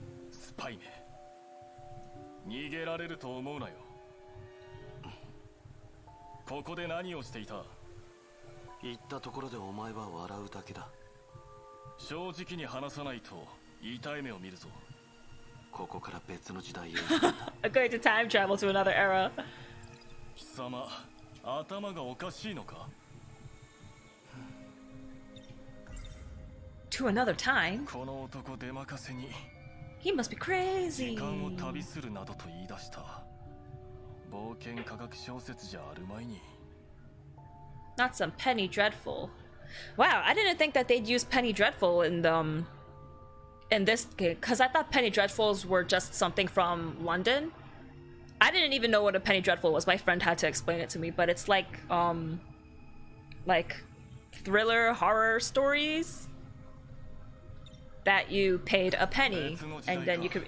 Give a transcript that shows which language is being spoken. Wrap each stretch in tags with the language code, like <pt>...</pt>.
<ja>スパイめ、逃げられると思うなよ。ここで何をしていた？言ったところでお前は笑うだけだ。正直に話さないと痛い目を見るぞ。ここから別の時代へ。</ja> <en>I'm going to time travel to another era.</en> <ja>貴様、頭がおかしいのか。</ja> <en>To another time?</en> <ja>この男出まかせに。</ja> <en>He must be crazy.</en> <ja>時間を旅するなどと言い出した。冒険科学小説じゃあるまいに。</ja> <en>Not some Penny Dreadful. Wow, I didn't think that they'd use Penny Dreadful in the in this game, because I thought Penny Dreadfuls were just something from London. I didn't even know what a Penny Dreadful was. My friend had to explain it to me, but it's like thriller horror stories that you paid a penny and then you could.</en>